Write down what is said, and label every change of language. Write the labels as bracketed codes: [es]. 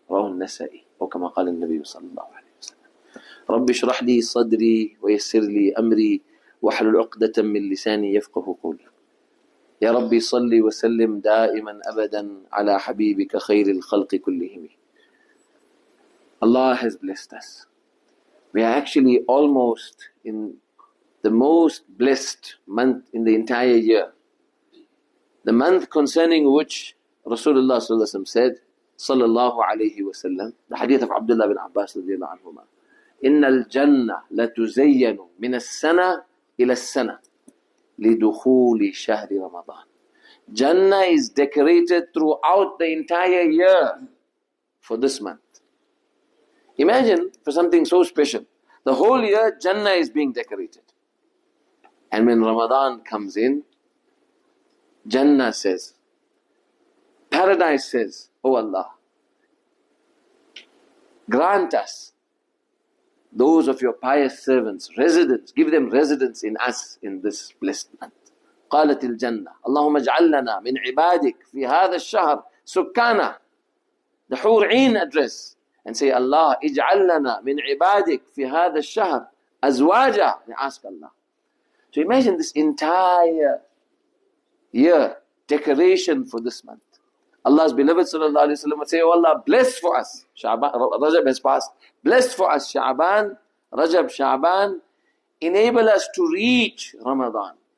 [ar] رواه النسائي، وكما قال النبي صلى الله عليه وسلم: رب اشرح لي صدري ويسر لي أمري واحلل عقدة من لساني يفقه قولي. يا ربي صلي وسلم دائما أبدا على حبيبك خير الخلق كلهم. [en] الله has blessed us. We are actually almost in the most blessed month in the entire year. The month concerning which Rasulullah صلى الله عليه وسلم said, صلى الله عليه وسلم, the hadith of Abdullah bin Abbas رضي الله عنهما, [ar] إِنَّ الْجَنَّةَ لَتُزَيَّنُ مِنَ السَّنَةِ إلى السنة لدخول شهر رمضان. [en] Jannah is decorated throughout the entire year for this month. Imagine for something so special, the whole year Jannah is being decorated. And when Ramadan comes in, Jannah says, Paradise says, Oh Allah, grant us those of your pious servants, residents, give them residence in us in this blessed month. [ar] قالت الجنة اللهم اجعل لنا من عبادك في هذا الشهر سكانا. [en] The Hur'een address and say, Allah, [ar] اجعل لنا من عبادك في هذا الشهر أزواجا. [en] They ask Allah. So imagine this entire year, decoration for this month. Allah's beloved sallallahu alayhi wa sallam would say, Oh Allah, bless for us. Rajab has passed. Bless for us Sha'ban, Rajab, Sha'ban. Enable us to reach Ramadan.